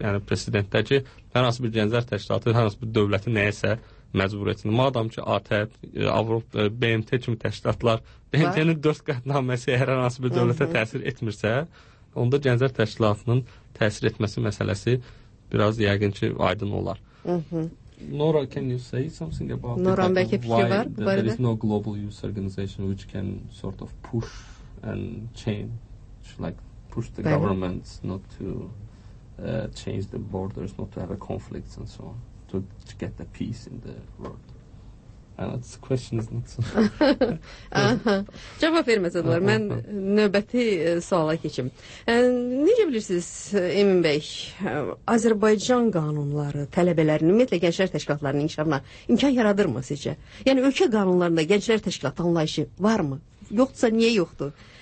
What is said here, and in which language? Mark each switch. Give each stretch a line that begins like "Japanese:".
Azerbaijani: Yəni prezidentdə ki, hər hansı bir gənclər təşkilatı, hər hansı bir dövləti nəyəsə məcbur etsin. Madam ki, ATƏP, Avropa, BMT kimi təşkilatlar BMT-nin 4 qətnaməsi hər hansı bir dövlətə təsir etmirsə, onda gənclər təşkilatının təsir etməsi məsələsi biraz yəqin ki, aydın olar.
English: Nora, can you say something about Nuran the fact why there is no global youth organization which can sort of push and change, like push the government not to change the borders, not to have a conflict and so on, to get the peace in the world? That's the question, isn't it?
Azerbaijani: Cavab verməsə də olar. Mən növbəti suala keçim. Necə bilirsiniz, Emin bəy, Azərbaycan qanunları tələbələrin, ümumiyyətlə gənclər təşkilatlarının inkişafına imkan yaradırmı sizcə? Yəni, ölkə qanunlarında gənclər təşkilatı anlayışı varmı? Yoxdursa, niyə yoxdur?